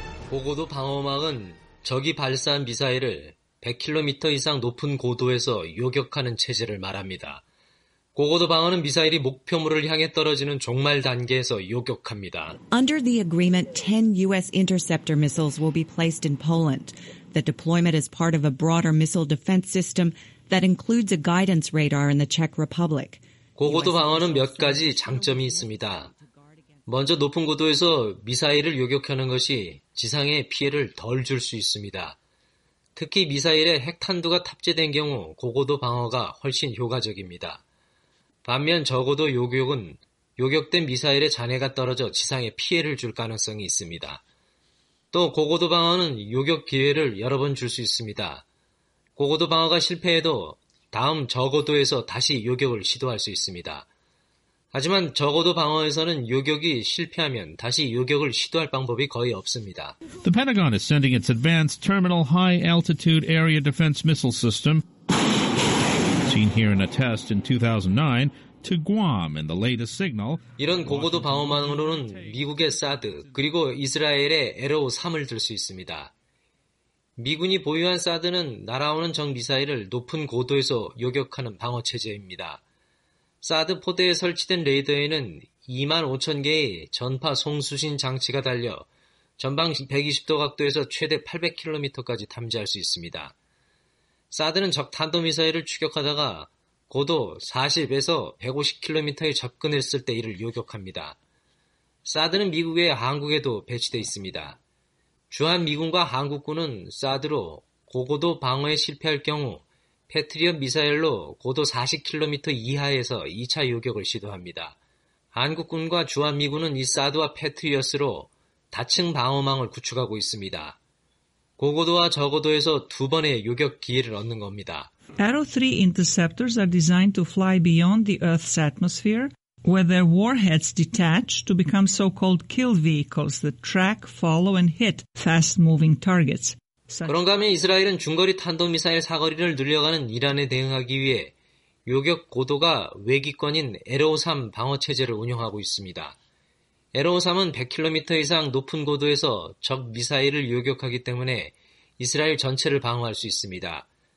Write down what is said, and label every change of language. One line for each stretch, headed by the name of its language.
Korean: 고고도 방어막은 적이 발사한 미사일을 100km 이상 높은 고도에서 요격하는 체제를 말합니다. 고고도 방어는 미사일이 목표물을 향해 떨어지는 종말 단계에서 요격합니다.
English: Under the agreement, 10 U.S. interceptor missiles will be placed in Poland. The deployment is part of a broader missile defense system that includes a guidance radar in the Czech Republic.
Korean: 고고도 방어는 몇 가지 장점이 있습니다. 먼저 높은 고도에서 미사일을 요격하는 것이 지상에 피해를 덜 줄 수 있습니다. 특히 미사일에 핵탄두가 탑재된 경우 고고도 방어가 훨씬 효과적입니다. 반면 저고도 요격은 요격된 미사일의 잔해가 떨어져 지상에 피해를 줄 가능성이 있습니다. 또 고고도 방어는 요격 기회를 여러 번 줄 수 있습니다. 고고도 방어가 실패해도 다음 저고도에서 다시 요격을 시도할 수 있습니다. 하지만 저고도 방어에서는 요격이 실패하면 다시 요격을 시도할 방법이 거의 없습니다.
English: The Pentagon is sending its advanced terminal high altitude area defense missile system seen here in a test in 2009 to Guam in the latest signal.
Korean: 이런 고고도 방어망으로는 미국의 사드 그리고 이스라엘의 LO-3을 들 수 있습니다. 미군이 보유한 사드는 날아오는 적미사일을 높은 고도에서 요격하는 방어 체제입니다. 사드 포대에 설치된 레이더에는 2만 5천 개의 전파 송수신 장치가 달려 전방 120도 각도에서 최대 800km까지 탐지할 수 있습니다. 사드는 적 탄도미사일을 추격하다가 고도 40에서 150km에 접근했을 때 이를 요격합니다. 사드는 미국의 한국에도 배치되어 있습니다. 주한미군과 한국군은 사드로 고고도 방어에 실패할 경우 패트리엇 미사일로 고도 40km 이하에서 2차 요격을 시도합니다. 한국군과 주한미군은 이 사드와 패트리엇으로 다층 방어망을 구축하고 있습니다. 고고도와 저고도에서 두 번의 요격 기회를 얻는 겁니다.
English: LO-3 interceptors are designed to fly beyond the Earth's atmosphere, where their warheads detach to become so-called kill vehicles that track, follow, and hit fast-moving targets.
Korean: 그런가 하면 이스라엘은 중거리 탄도미사일 사거리를 늘려가는 이란에 대응하기 위해 요격 고도가 외기권인 LO-3 방어체제를 운영하고 있습니다. LO-3은 100km 이상 높은 고도에서 적 미사일을 요격하기 때문에 이스라엘 전체를 방어할 수 있습니다.